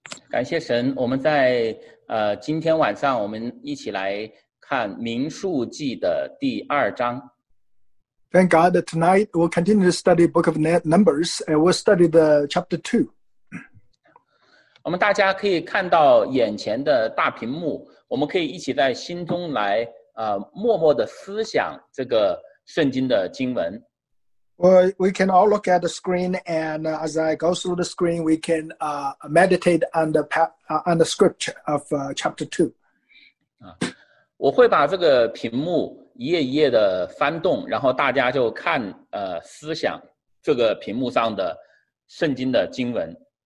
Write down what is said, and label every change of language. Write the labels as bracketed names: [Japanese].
[Chinese] 感谢神，我们在今天晚上我们一起来看民数记的第二章。 [English] Thank God that tonight we'll continue to study Book of Numbers and we'll study the chapter 2. [Chinese] 我们大家可以看到眼前的大屏幕，我们可以一起在心中来默默的思想这个圣经的经文。 [English] Well, we can all look at the screen, and as I go through the screen, we can meditate on the scripture of chapter 2. [Chinese] 我会把这个屏幕一页一页的翻动，然后大家就看思想这个屏幕上的圣经的经文。